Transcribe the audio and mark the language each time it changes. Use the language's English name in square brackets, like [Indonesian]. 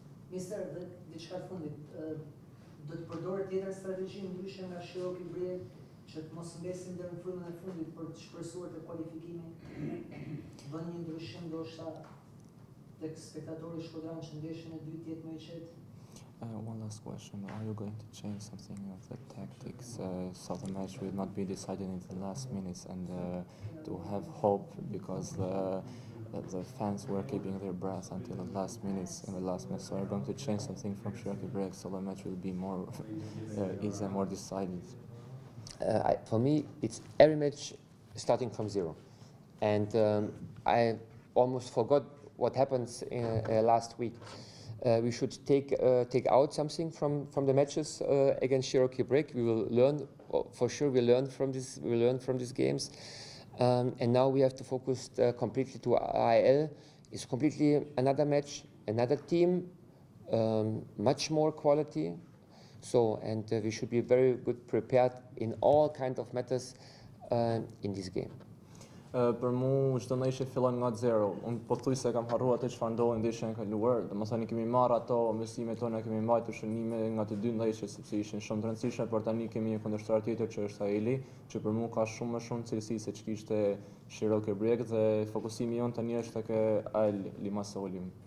[Albanian] Mister, dhe diçka fundit, do të përdorë tjetër strategji ndryshe nga Shiroki Brie që të mos mbesim deri në fundin e fundit për të shpresuar të kualifikimin. Vënë një ndryshim ndoshta tek spektatorët shkodranë që ndeshjen e dytë jetë më I qetë. [English] One last question. Are you going to change something of the tactics so the match will not be decided in the last minutes and to have hope because the fans were keeping their breath until the last minutes in the last match. So are you going to change something from Shiroki Brie so the match will be more easy and more decided? For me, it's every match starting from zero. And I almost forgot what happened in last week. We should take out something from the matches against Shiroki Brie. We will learn, for sure. We learn from this. We learn from these games, and now we have to focus completely to AEL. It's completely another match, another team, much more quality. So, and we should be very good prepared in all kind of matters in this game. [Albanian] Për mu, çdo ndeshje fillon nga zero. Unë po thuj se kam harruar atë çfarë ndodhi ndeshjen e kaluar. Domethënë kemi marrë ato mësimet tona, kemi mbajtur shënime nga të dy ndeshjet sepse ishin shumë të rëndësishme, por tani kemi një kundërshtar tjetër që është Aeli, që për mu ka shumë më shumë cilësi se ç'kishte Shiroki Brie dhe fokusimi jon tani është tek AEL Limassol.